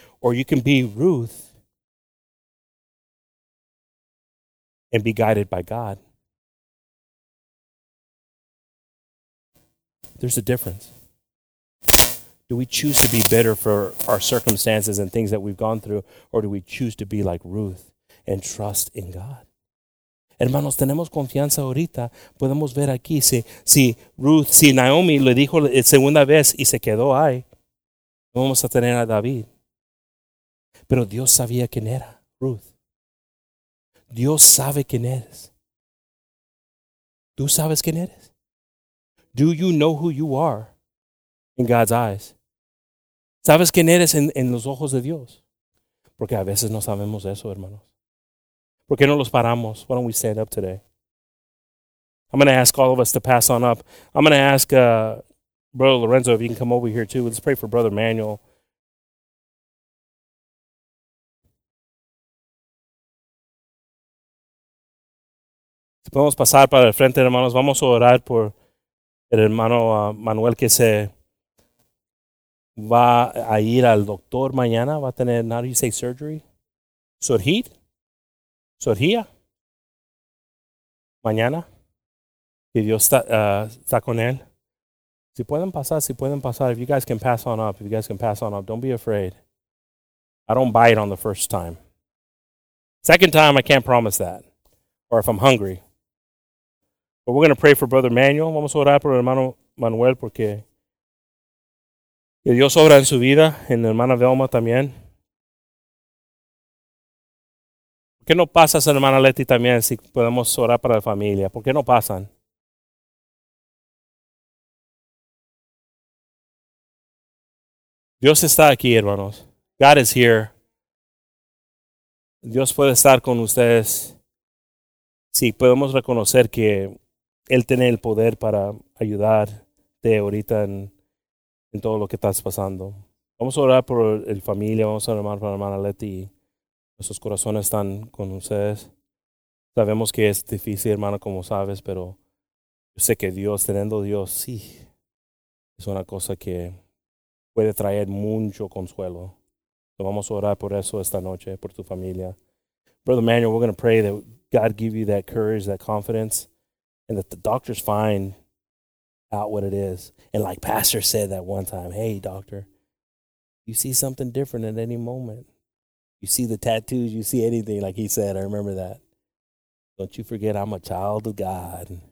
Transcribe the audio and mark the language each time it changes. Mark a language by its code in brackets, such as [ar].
[en] Or you can be Ruth and be guided by God. There's a difference. Do we choose to be bitter for our circumstances and things that we've gone through, or do we choose to be like Ruth and trust in God? [es] Hermanos, tenemos confianza ahorita. Podemos ver aquí si Ruth, si Naomi le dijo la segunda vez y se quedó ahí, vamos a tener a David. Pero Dios sabía quién era Ruth. Dios sabe quién eres. ¿Tú sabes quién eres? [en] Do you know who you are in God's eyes? [es] ¿Sabes quién eres en los ojos de Dios? Porque a veces no sabemos eso, hermanos. ¿Por qué no los paramos? [en] Why don't we stand up today? I'm going to ask all of us to pass on up. I'm going to ask Brother Lorenzo if you can come over here too. Let's pray for Brother Manuel. [es] Si podemos pasar para el frente, hermanos, vamos a orar por el hermano Manuel que se va a ir al doctor mañana. Va a tener, [en] how do you say, surgery? [es] ¿Surgía? Mañana. Que Dios está con él. Si pueden pasar. [en] If you guys can pass on up. Don't be afraid. I don't bite on the first time. Second time, I can't promise that. Or if I'm hungry. But we're going to pray for Brother Manuel. [es] Vamos a orar por el hermano Manuel porque Dios obra en su vida, en la hermana Velma también. ¿Por qué no pasas, hermana Leti, también, si podemos orar para la familia? ¿Por qué no pasan? Dios está aquí, hermanos. [en] God is here. [es] Dios puede estar con ustedes. Sí, podemos reconocer que Él tiene el poder para ayudarte ahorita en todo lo que estás pasando. Vamos a orar por el familia, vamos a orar por la hermana Leti. Nuestros corazones están con ustedes. Sabemos que es difícil, hermano, como sabes, pero yo sé que Dios, teniendo Dios, sí, es una cosa que puede traer mucho consuelo. So vamos a orar por eso esta noche, por tu familia. [en] Brother Manuel, we're going to pray that God give you that courage, that confidence. And that the doctors find out what it is. And like Pastor said that one time, hey, doctor, you see something different at any moment. You see the tattoos, you see anything, like he said, I remember that. Don't you forget, I'm a child of God.